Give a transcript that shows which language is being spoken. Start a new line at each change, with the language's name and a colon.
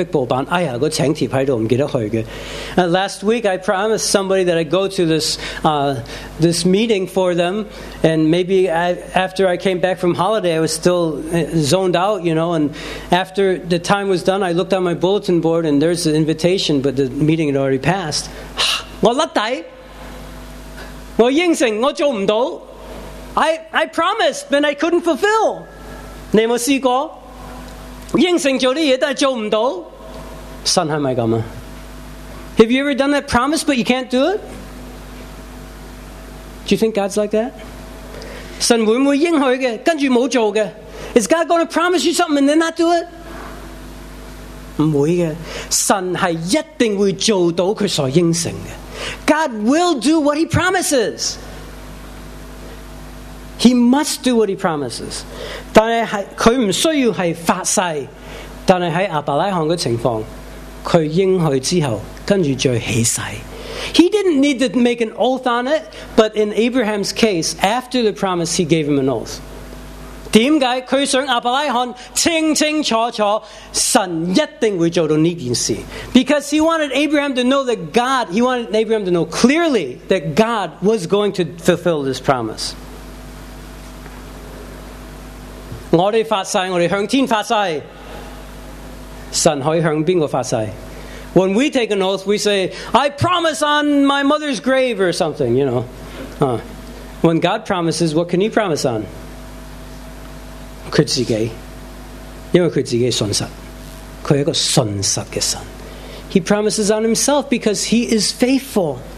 English: Last week I promised somebody that I'd go to this meeting for them, and maybe after I came back from holiday I was still zoned out, you know, and after the time was done I looked on my bulletin board and there's the invitation, but the meeting had already passed.
Chinese: 我答应我应承我做不到。
English: I promised, but I couldn't fulfill.
Chinese: 你有没有试过? 应承做的事情,但是做不到? 神是不是这样?
English: Have you ever done that promise, but you can't do it? Do you think God's like that?
Chinese: 神会不会应许的,跟着没做的?
English: Is God going to promise you something and then not do it?
Chinese: 不会的, 神是一定会做到他所应承的。
English: God will do what He promises. He must do what He promises.
Chinese: 但是他不需要是发誓, 但是在亚伯拉罕的情况, 他应许之后, 跟着就起誓。
English: He didn't need to make an oath on it, but in Abraham's case, after the promise, he gave him an oath.
Chinese: 为什么? 他想亚伯拉罕清清楚楚, 神一定会做到这件事。
English: Because he wanted Abraham to know that God, he wanted Abraham to know clearly that God was going to fulfill this promise.
Chinese: 我们发誓,我们向天发誓, 神可以向谁发誓?
English: When we take an oath, we say, I promise on my mother's grave or something, you know. When God promises, what can He promise on?
Chinese: 他自己,因为他自己信实,他是一个信实的神。
English: He promises on Himself because He is faithful.